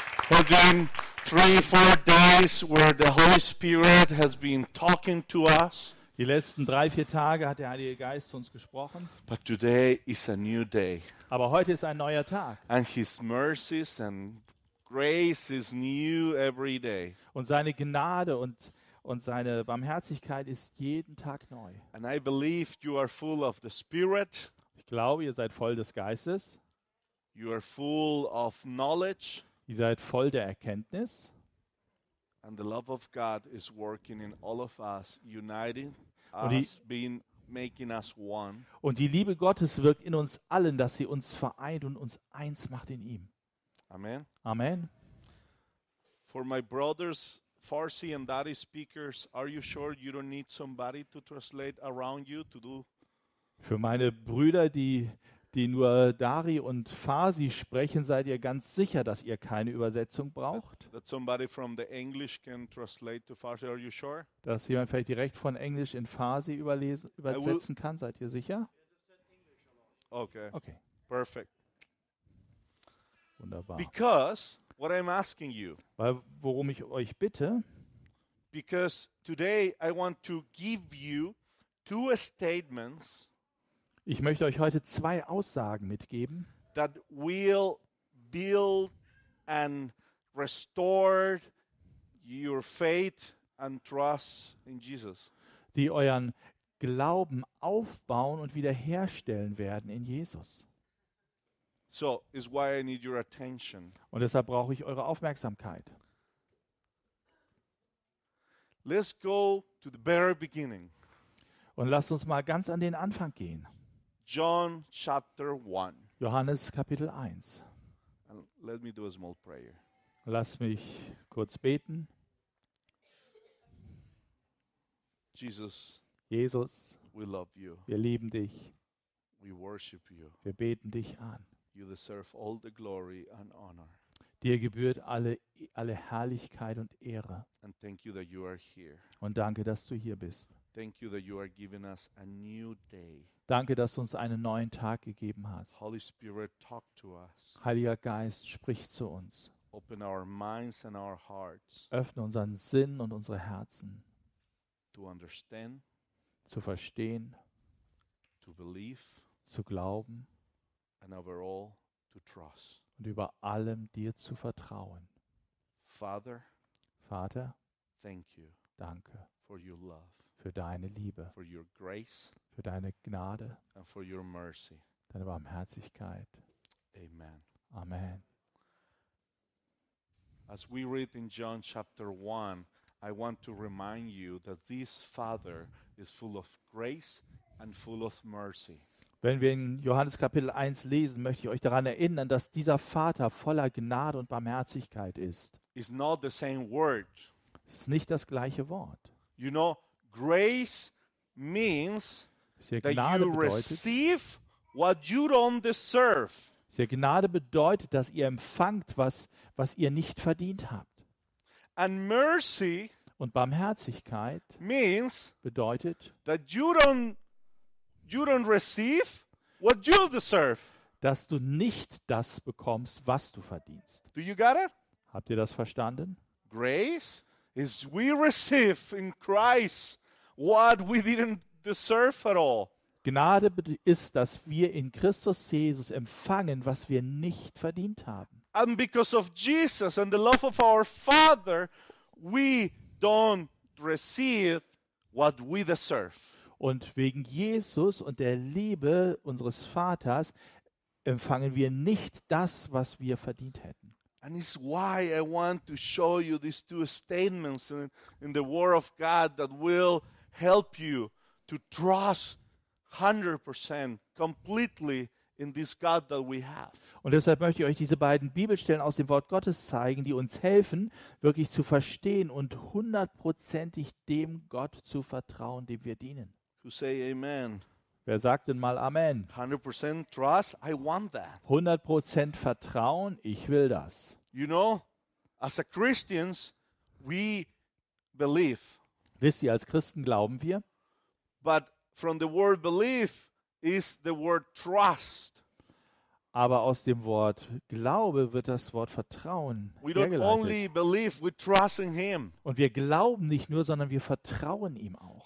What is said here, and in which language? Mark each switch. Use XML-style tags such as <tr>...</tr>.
<en>Well, during 3-4 days where the Holy Spirit has been talking to us.</en> <de>Die letzten 3-4 Tage hat der Heilige Geist zu uns gesprochen.</de> <en>But today is a new day.</en> <de>Aber heute ist ein neuer Tag.</de> <en>And his mercies and grace is new every day.</en> <de>Und seine Gnade und seine Barmherzigkeit ist jeden Tag neu.</de> <en>And I believe you are full of the Spirit.</en> <de>Ich glaube, ihr seid voll des Geistes.</de> <en>You are full of knowledge.</en> <de>Ihr seid voll der Erkenntnis.</de> <en>And the love of God is working in all of us, uniting us, being making us one.</en> <de>Und die Liebe Gottes wirkt in uns allen, dass sie uns vereint und uns eins macht in ihm.</de> <en>Amen.</en> <de>Amen.</de> <en>For my brothers, Farsi and Dari speakers, are you sure you don't need somebody to translate around you to do?</en> <de>Für meine Brüder, die nur Dari und Farsi sprechen, seid ihr ganz sicher, dass ihr keine Übersetzung braucht?</de> <en>That somebody from the English can translate to Farsi, are you sure?</en> <de>Dass jemand vielleicht direkt von Englisch in Farsi übersetzen kann, seid ihr sicher?</de> <en>Okay.</en> <de>Okay.</de> <en>Perfect.</en> <de>Wunderbar.</de> <en>Because what I'm asking you.</en> <de>Weil worum ich euch bitte.</de> <en>Because today I want to give you 2 statements.</en> <de>Ich möchte euch heute 2 Aussagen mitgeben.</de> <en>That will build and restore your faith and trust in Jesus.</en> <de>Die euren Glauben aufbauen und wiederherstellen werden in Jesus.</de> <en>So is why I need your attention.</en> <de>Und deshalb brauche ich eure Aufmerksamkeit.</de> <en>Let's go to the very beginning.</en> <de>Und lasst uns mal ganz an den Anfang gehen.</de> <en>John chapter 1.</en> <de>Johannes Kapitel 1.</de> <en>And let me do a small prayer.</en> <de>Lass mich kurz beten.</de> <en>Jesus, we love you.</en> <de>Wir lieben dich.</de> <en>We worship you.</en> <de>Wir beten dich an.</de> <en>You deserve all the glory and honor.</en> <de>Dir gebührt alle Herrlichkeit und Ehre.</de> <en>And thank you that you are here.</en> <de>Und danke, dass du hier bist.</de> <en>Thank you that you are giving us a new day.</en> <de>Danke, dass du uns einen neuen Tag gegeben hast.</de> <en>Holy Spirit, talk to us.</en> <de>Heiliger Geist, sprich zu uns.</de> <en>Open our minds and our hearts.</en> <de>Öffne unseren Sinn und unsere Herzen.</de> <en>To understand.</en> <de>Zu verstehen.</de> <en>To believe.</en> <de>Zu glauben.</de> <en>And over all, to trust.</en> <de>Und über allem dir zu vertrauen.</de> <en>Vater, thank you.</en> <de>Danke.</de> <en>For your love.</en> <de>Für deine Liebe.</de> <en>For your grace.</en> <de>Für deine Gnade.</de> <en>And for your mercy.</en> <de>Deine Barmherzigkeit.</de> <en>Amen.</en> <de>Amen.</de> <en>As we read in John chapter 1, I want to remind you that this Father is full of grace and full of mercy.</en> <de>Wenn wir in Johannes Kapitel 1 lesen, möchte ich euch daran erinnern, dass dieser Vater voller Gnade und Barmherzigkeit ist.</de> <en>It's not the same word.</en> <de>Es ist nicht das gleiche Wort.</de> <en>You know, grace means that you receive what you don't deserve.</en> <de>Gnade bedeutet, dass ihr empfangt, was ihr nicht verdient habt.</de> <en>And mercy</en> <de>und Barmherzigkeit</de> <en>means</en> <de>bedeutet,</de> <en>that you don't receive what you deserve.</en> <de>Dass du nicht das bekommst, was du verdienst.</de> <en>Do you got it?</en> <de>Habt ihr das verstanden?</de> <en>Grace is we receive in Christ what we didn't deserve at all.</en> <de>Gnade ist, dass wir in Christus Jesus empfangen, was wir nicht verdient haben.</de> <en>And because of Jesus and the love of our Father, we don't receive what we deserve.</en> <de>Und wegen Jesus und der Liebe unseres Vaters empfangen wir nicht das, was wir verdient hätten.</de> <en>And it's why I want to show you these 2 statements in the Word of God that will help you to trust 100% completely in this God that we have.</en> <de>Und deshalb möchte ich euch diese beiden Bibelstellen aus dem Wort Gottes zeigen, die uns helfen, wirklich zu verstehen und hundertprozentig dem Gott zu vertrauen, dem wir dienen.</de> <en>Who say amen?</en> <de>Wer sagt denn mal Amen?</de> <en>100% trust, I want that.</en> <de>100% Vertrauen, ich will das.</de> <en>You know, as a Christians, we believe.</en> <de>Wisst ihr, als Christen glauben wir.</de> <en>But from the word belief is the word trust.</en> <de>Aber aus dem Wort Glaube wird das Wort Vertrauen hergeleitet.</de> <en>We don't only believe, we trust in him.</en> <de>Und wir glauben nicht nur, sondern wir vertrauen ihm auch.</de>